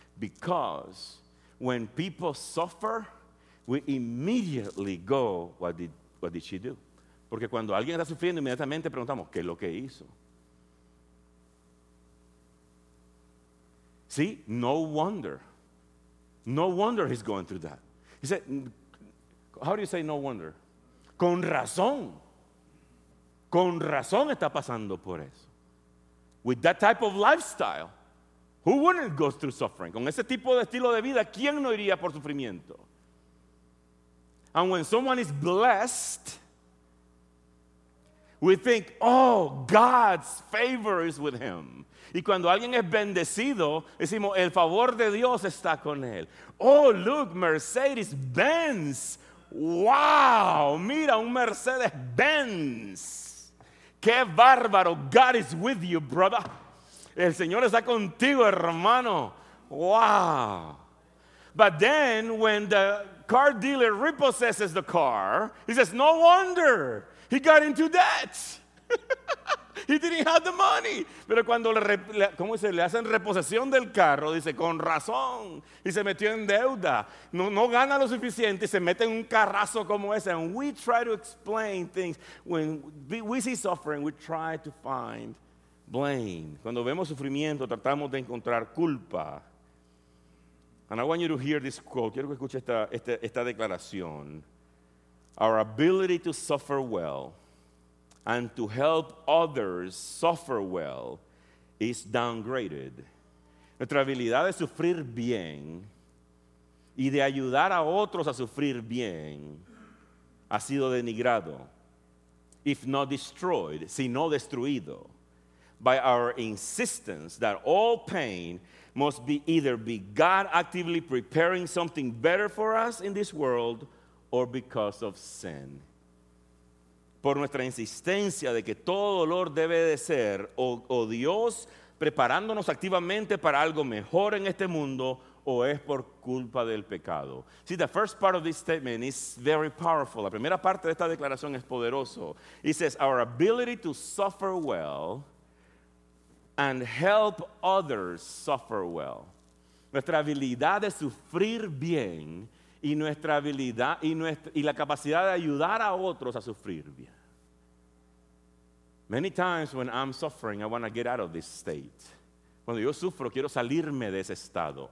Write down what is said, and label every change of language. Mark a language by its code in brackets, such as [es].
[en] Because when people suffer, we immediately go, what did she do? [es] Porque cuando alguien está sufriendo, inmediatamente preguntamos, ¿qué es lo que hizo? [en] See, no wonder he's going through that. He said, how do you say no wonder? [es] Con razón está pasando por eso. [en] With that type of lifestyle, who wouldn't go through suffering? [es] Con ese tipo de estilo de vida, ¿quién no iría por sufrimiento? [en] And when someone is blessed, We think, oh, God's favor is with him. [es] Y cuando alguien es bendecido, decimos, el favor de Dios está con él. [en] Oh, look, [es] Mercedes Benz. Wow, mira un Mercedes Benz. Qué bárbaro. [en] God is with you, brother. [es] El Señor está contigo, hermano. Wow. [en] But then when the car dealer repossesses the car, he says, no wonder he got into debt. He didn't have the money. [es] Pero cuando le hacen reposición del carro, dice, con razón. Y se metió en deuda. No gana lo suficiente y se mete en un carrazo como ese. [en] And we try to explain things. When we see suffering, we try to find blame. [es] Cuando vemos sufrimiento, tratamos de encontrar culpa. [en] And I want you to hear this quote. [es] Quiero que escuche esta declaración. [en] Our ability to suffer well and to help others suffer well is downgraded. [es] Nuestra habilidad de sufrir bien y de ayudar a otros a sufrir bien ha sido denigrado, [en] if not destroyed, [es] sino destruido, [en] by our insistence that all pain must be either be God actively preparing something better for us in this world or because of sin. [es] Por nuestra insistencia de que todo dolor debe de ser o Dios preparándonos activamente para algo mejor en este mundo o es por culpa del pecado. [en] See, the first part of this statement is very powerful. [es] La primera parte de esta declaración es poderoso. [en] It says, our ability to suffer well and help others suffer well. [es] Nuestra habilidad de sufrir bien y nuestra habilidad y la capacidad de ayudar a otros a sufrir bien. [en] Many times when I'm suffering, I want to get out of this state. [es] Cuando yo sufro, quiero salirme de ese estado.